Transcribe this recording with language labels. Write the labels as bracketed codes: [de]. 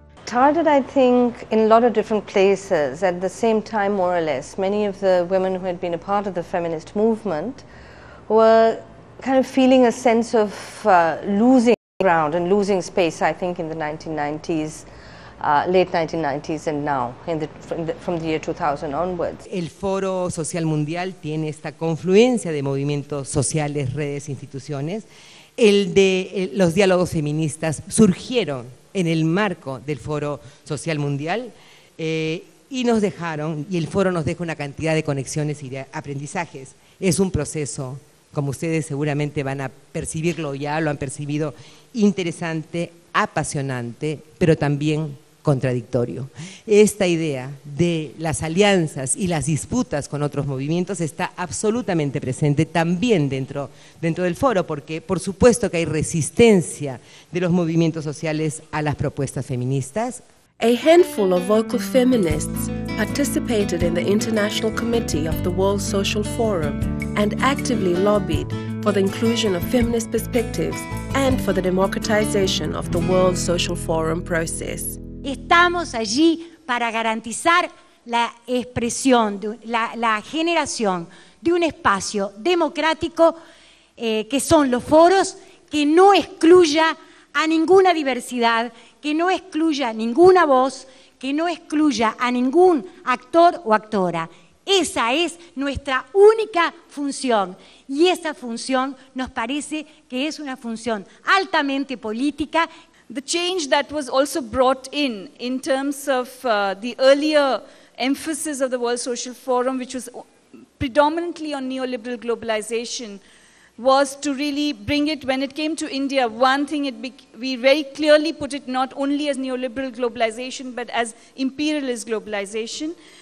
[en] Started, I think, in a lot of different places at the same time, more or less. Many of the women who had been a part of the feminist movement were kind of feeling a sense of losing ground and losing space, I think, in the 1990s, late 1990s and now, from the year 2000 onwards. [es] El Foro Social Mundial tiene esta confluencia de movimientos sociales, redes, instituciones. Los diálogos feministas surgieron en el marco del Foro Social Mundial y nos dejaron, y el foro nos deja una cantidad de conexiones y de aprendizajes. Es un proceso, como ustedes seguramente van a percibirlo, ya lo han percibido, interesante, apasionante, pero también contradictorio. Esta idea de las alianzas y las disputas con otros movimientos está absolutamente presente también dentro del foro, porque por supuesto que hay resistencia de los movimientos sociales a las propuestas feministas. [en] A handful of vocal feminists participated in the International Committee of the World Social Forum and actively lobbied for the inclusion of feminist perspectives and for the democratization of the World Social Forum process. [es] Estamos allí para garantizar la expresión, la generación de un espacio democrático que son los foros, que no excluya a ninguna diversidad, que no excluya ninguna voz, que no excluya a ningún actor o actora. Esa es nuestra única función y esa función nos parece que es una función altamente política. [en] The change that was also brought in terms of the earlier emphasis of the World Social Forum, which was predominantly on neoliberal globalization, was to really bring it, when it came to India, one thing we very clearly put it not only as neoliberal globalization, but as imperialist globalization.